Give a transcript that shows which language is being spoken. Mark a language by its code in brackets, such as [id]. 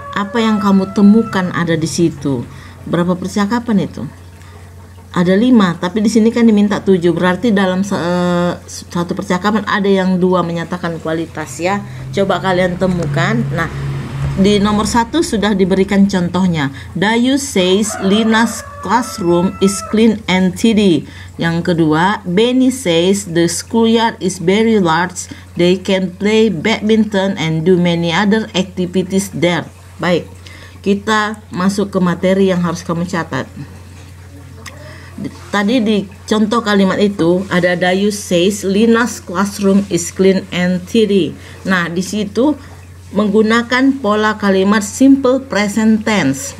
[id] Apa yang kamu temukan ada di situ? Berapa percakapan itu? Ada 5, tapi di sini kan diminta 7. Berarti dalam satu percakapan ada yang 2 menyatakan kualitas ya. Coba kalian temukan. Nah, di nomor 1 sudah diberikan contohnya. [en] Dayu says Lina's classroom is clean and tidy. [id] Yang kedua, [en] Benny says the schoolyard is very large. They can play badminton and do many other activities there. [id] Baik. Kita masuk ke materi yang harus kamu catat. Tadi di contoh kalimat itu ada [en] Dayu says Lina's classroom is clean and tidy. [id] Nah, di situ menggunakan pola kalimat simple present tense.